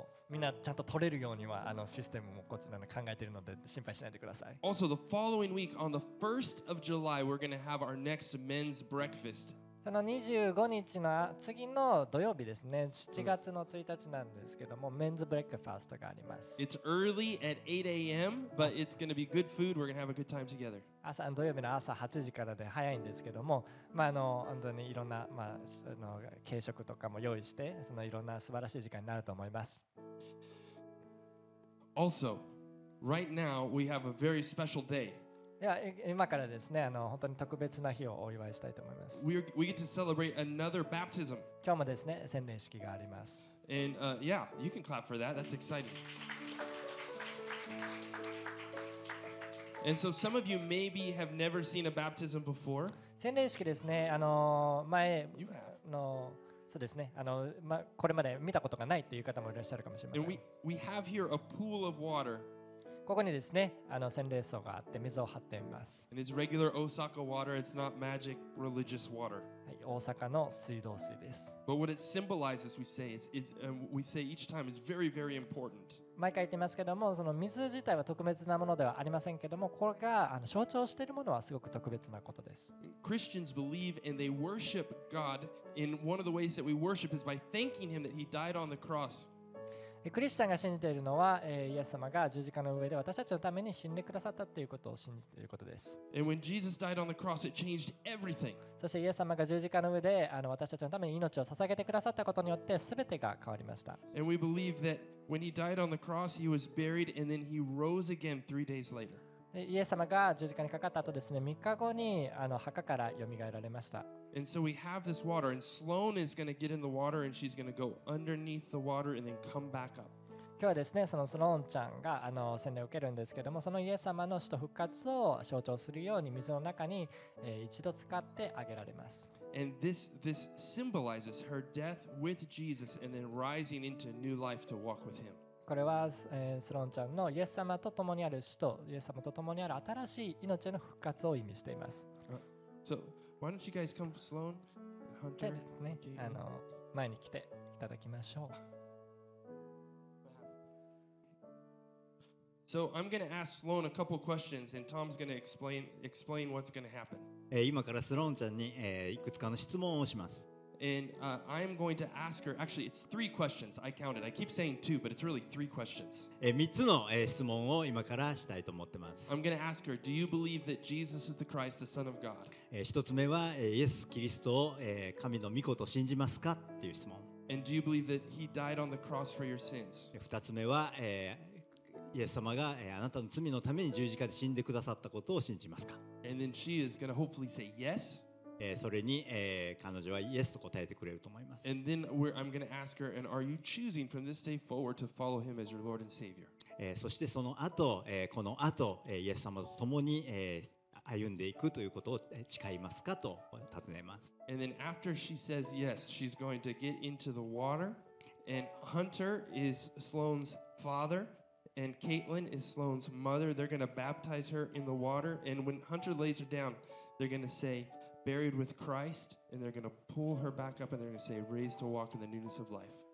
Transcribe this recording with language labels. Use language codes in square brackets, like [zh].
[ja] みんなちゃんと取れるようにはシステムもこちらで考えているので心配しないでください。 [en] Also, the following week, on the 1st of July, we're going to have our next men's breakfast. [ja] その25日の次の土曜日ですね、7月の1日なんですけども、メンズブレックファーストがあります。 [en] It's early at 8 a.m., but it's going to be good food. We're going to have a good time together. [ja] 土曜日の朝8時からで早いんですけども、本当にいろんな軽食とかも用意して、いろんな素晴らしい時間になると思います。 [en] Also, right now we have a very special day. We get to celebrate another baptism. And you can clap for that. That's exciting. And so some of you maybe have never seen a baptism before. [ja] 洗礼式ですね。 [en] You have. No. [ja] そうですね。これまで見たことがないという方もいらっしゃるかもしれません。 [en] We have here a pool of water. [ja] ここにですね、あの洗礼槽があって水を張っています。 [en] And it's regular Osaka water. It's not magic religious water. [ja] はい、大阪の水道水です。 [en] But what it symbolizes, we say each time, is very, very important. [ja] 毎回言ってますけども、その水自体は特別なものではありませんけども、これがあの象徴しているものはすごく特別なことです。 [en] Christians believe and they worship God. In one of the ways that we worship is by thanking Him that He died on the cross. [ja] クリスチャンが信じているのは、イエス様が十字架の上で私たちのために死んでくださったということを信じていることです。 [en] And when Jesus died on the cross, it changed everything. [ja] そしてイエス様が十字架の上であの私たちのために命を捧げてくださったことによって全てが変わりました。 [en] And we believe that when he died on the cross, he was buried and then he rose again three days later. [ja] イエス様が十字架にかかった後ですね、3日後にあの墓からよみがえられました。 [en] And so we have this water, and Sloane is going to get in the water, and she's going to go underneath the water, and then come back up. [ja] 今日はですね、そのスローンちゃんがあの洗礼を受けるんですけども、そのイエス様の死と復活を象徴するように水の中に、一度使ってあげられます。 [en] And this symbolizes her death with Jesus, and then rising into new life to walk with him. [ja] これは、スローンちゃんのイエス様と共にある死とイエス様と共にある新しい命の復活を意味しています。 [en] So, why don't you guys come for Sloane? Hunter, [ja] でですね、あの前に来ていただきましょう。 [en] So, I'm going to ask Sloane a couple questions and Tom's going to explain what's going to happen. [ja] 今からスローンちゃんに、いくつかの質問をします。 [en] And I'm going to ask her, actually it's three questions, I counted. I keep saying two, but it's really three questions. [ja] 3つの質問を今からしたいと思ってます。 [en] I'm going to ask her, do you believe that Jesus is the Christ, the Son of God? [ja] 1つ目は、イエス・キリストを神の御子と信じますかっていう質問。 [en] And do you believe that he died on the cross for your sins? [ja] 2つ目は、イエス様が、あなたの罪のために十字架で死んでくださったことを信じますか。 [en] And then she is going to hopefully say yes. [ja] それに、彼女はイエスと答えてくれると思います。 [en] And then I'm going to ask her, and are you choosing from this day forward to follow him as your Lord and Savior? [ja] そしてその後、この後、イエス様と共に、歩んでいくということを誓いますかと尋ねます。 [en] And then after she says yes, she's going to get into the water, and Hunter is Sloane's father, and Caitlin is Sloane's mother. They're going to baptize her in the water, and when Hunter lays her down, they're going to say,Buried with Christ, and they're going to pull her back up, and they're going to say, "Raised to walk in the newness of life."